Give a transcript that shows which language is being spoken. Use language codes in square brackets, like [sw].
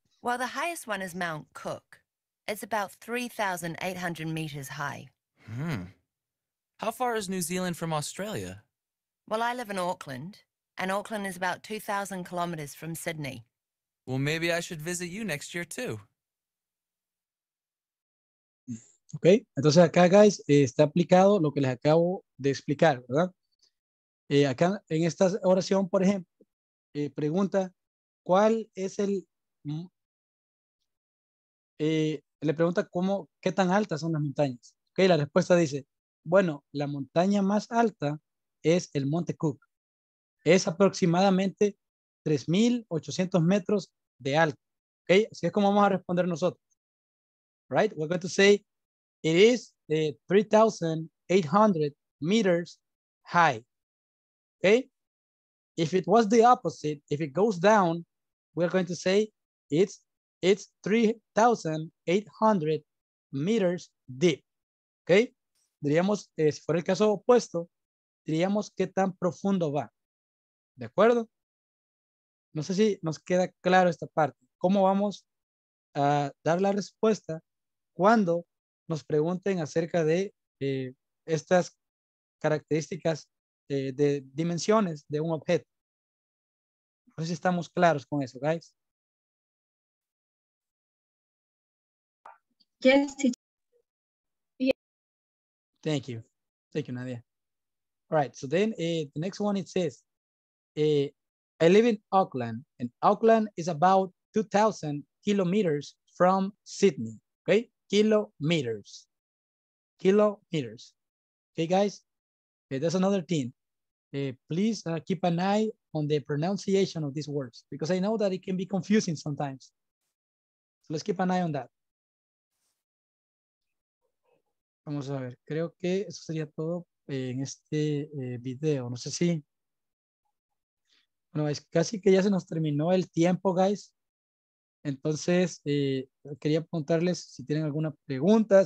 [en] Well, the highest one is Mount Cook. It's about 3,800 meters high. Hmm. How far is New Zealand from Australia? Well, I live in Auckland, and Auckland is about 2,000 kilometers from Sydney. Well, maybe I should visit you next year, too. [es] Okay, entonces acá, guys, está aplicado lo que les acabo de explicar, ¿verdad? Acá, en esta oración, por ejemplo, pregunta, ¿cuál es el... le pregunta cómo, qué tan altas son las montañas. Ok, la respuesta dice, bueno, la montaña más alta es el Monte Cook. Es aproximadamente 3,800 metros de alto. Ok, así es como vamos a responder nosotros. [en] Right, we're going to say, it is 3,800 meters high. Ok, if it was the opposite, if it goes down, we're going to say, it's 3,800 meters deep, ¿ok? [es] Diríamos, si fuera el caso opuesto, diríamos qué tan profundo va, ¿de acuerdo? No sé si nos queda claro esta parte. ¿Cómo vamos a dar la respuesta cuando nos pregunten acerca de estas características de dimensiones de un objeto? No sé si estamos claros con eso, guys. [en] Yes. Thank you. Thank you, Nadia. All right. So then the next one, it says, I live in Auckland, and Auckland is about 2,000 kilometers from Sydney. Okay. Kilometers. Kilometers. Okay, guys. Okay, that's another thing. Please keep an eye on the pronunciation of these words, because I know that it can be confusing sometimes. So let's keep an eye on that. [es] Vamos a ver, creo que eso sería todo en este video. No sé si. Bueno, es casi que ya se nos terminó el tiempo, guys. Entonces, quería preguntarles si tienen alguna pregunta.